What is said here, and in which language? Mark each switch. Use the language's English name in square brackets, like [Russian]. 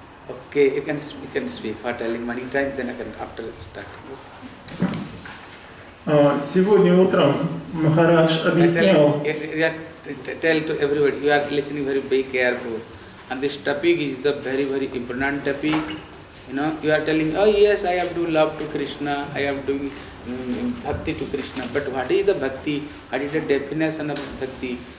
[English] Okay, you can speak for telling many times, then I can after start. [Russian] Сегодня утром Махарадж объяснял. [English] Tell to everybody, you are listening very be careful. And this topic is the very, very important topic. You know, you are telling, oh yes, I am doing love to Krishna, I am doing bhakti to Krishna. But what is the bhakti? What is the definition of bhakti?